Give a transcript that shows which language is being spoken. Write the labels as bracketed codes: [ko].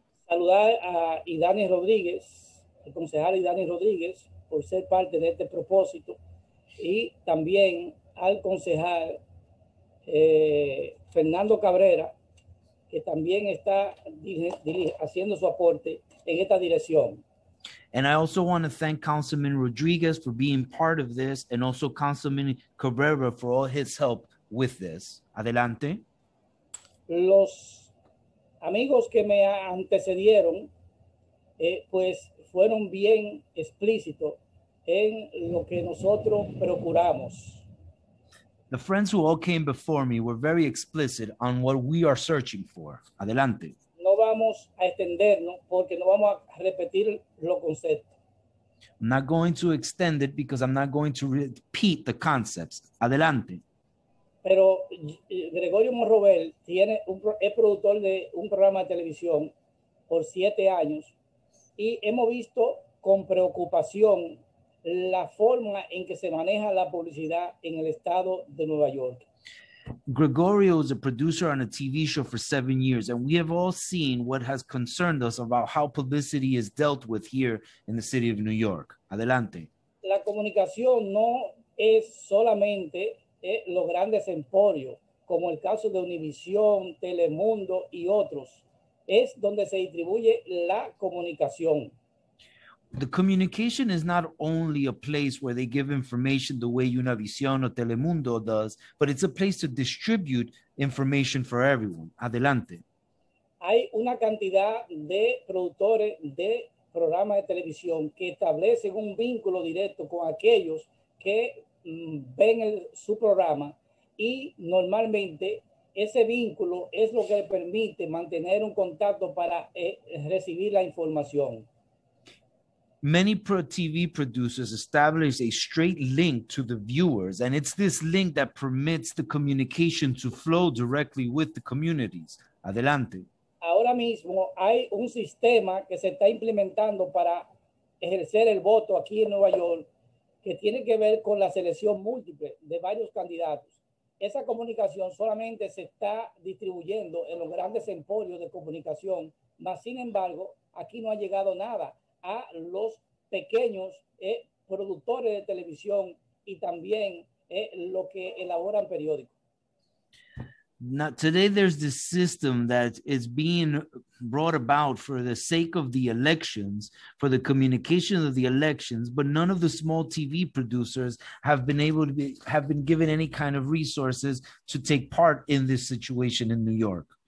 [es] Saludar a Idani Rodríguez, el concejal Idani Rodríguez, por ser parte de este propósito, y también al concejal Fernando Cabrera, que también está haciendo su aporte en esta dirección. [en] And I also want to thank Councilman Rodriguez for being part of this, and also Councilman Cabrera for all his help with this. [es] Adelante. Los amigos que me antecedieron, pues fueron bien explícitos en lo que nosotros procuramos. [en] The friends who all came before me were very explicit on what we are searching for. [es] Adelante. No vamos a extendernos porque no vamos a repetir los conceptos. [en] I'm not going to extend it because I'm not going to repeat the concepts. [es] Adelante. Pero Gregorio Morrobel es productor de un programa de televisión por 7 años y hemos visto con preocupación la forma en que se maneja la publicidad en el estado de Nueva York. [en] Gregorio is a producer on a TV show for 7 years, and we have all seen what has concerned us about how publicity is dealt with here in the city of New York. [es] Adelante. La comunicación no es solamente los grandes emporios, como el caso de Univision, Telemundo y otros. Es donde se distribuye la comunicación. [en] The communication is not only a place where they give information the way Univision or Telemundo does, but it's a place to distribute information for everyone. [es] Adelante. Hay una cantidad de productores de programas de televisión que establecen un vínculo directo con aquellos que ven el, su programa, y normalmente ese vínculo es lo que le permite mantener un contacto para recibir la información. [en] Many TV producers establish a straight link to the viewers, and it's this link that permits the communication to flow directly with the communities. [es] Adelante. Ahora mismo hay un sistema que se está implementando para ejercer el voto aquí en Nueva York que tiene que ver con la selección múltiple de varios candidatos. Esa comunicación solamente se está distribuyendo en los grandes emporios de comunicación, mas sin embargo, aquí no ha llegado nada a los pequeños productores de televisión y también lo que elaboran periódicos. [en] Now, today there's this system that is being brought about for the sake of the elections, for the communication of the elections, but none of the small TV producers have been able to be, have been given any kind of resources to take part in this situation in New York.